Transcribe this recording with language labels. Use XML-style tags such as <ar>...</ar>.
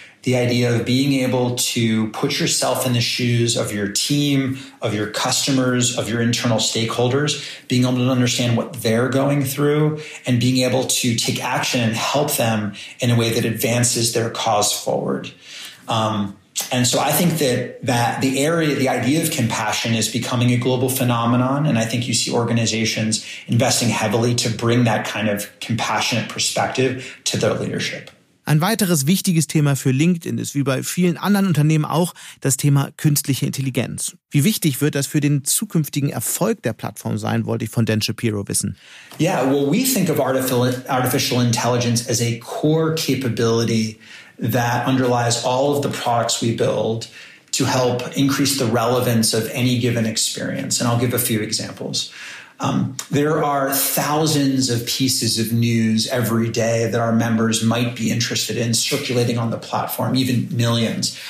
<en>The idea of being able to put yourself in the shoes of your team, of your customers, of your internal stakeholders, being able to understand what they're going through, and being able to take action and help them in a way that advances their cause forward. And so I think that the area, the idea of compassion is becoming a global phenomenon. And I think you see organizations investing heavily to bring that kind of compassionate perspective to their leadership.</en> <de>Ein weiteres wichtiges Thema für LinkedIn ist wie bei vielen anderen Unternehmen auch das Thema künstliche Intelligenz. Wie wichtig wird das für den zukünftigen Erfolg der Plattform sein, wollte ich von Dan Shapiro wissen.</de> <en>Yeah, well, we think of artificial intelligence as a core capability that underlies all of the products we build to help increase the relevance of any given experience. And I'll give a few examples. There are thousands of pieces of news every day that our members might be interested in circulating on the platform, even millions.</en>